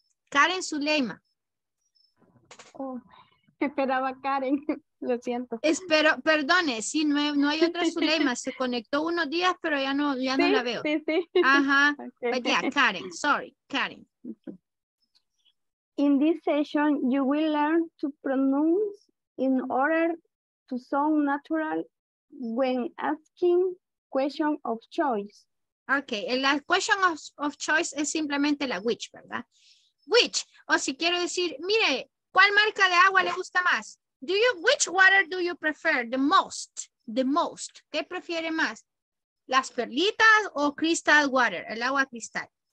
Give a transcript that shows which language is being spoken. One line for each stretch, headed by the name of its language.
Spanish: Karen Suleyma. Oh, esperaba Karen. Lo siento. Espero, perdone, sí, no hay otra Suleyma. Se conectó unos días, pero ya no la veo. Sí, sí.
English: Ajá. Okay. But yeah, Karen. Sorry, Karen. In this session, you will learn to pronounce in order to sound natural when asking question of choice.
Spanish: Okay, la
English: question of choice
Spanish: es simplemente la which, ¿verdad? Which, o si quiero decir, mire, ¿cuál marca de agua le gusta más?
English: Do you, which water do you prefer the most? The most,
Spanish: ¿qué prefiere más? ¿Las perlitas o crystal water, el agua cristal?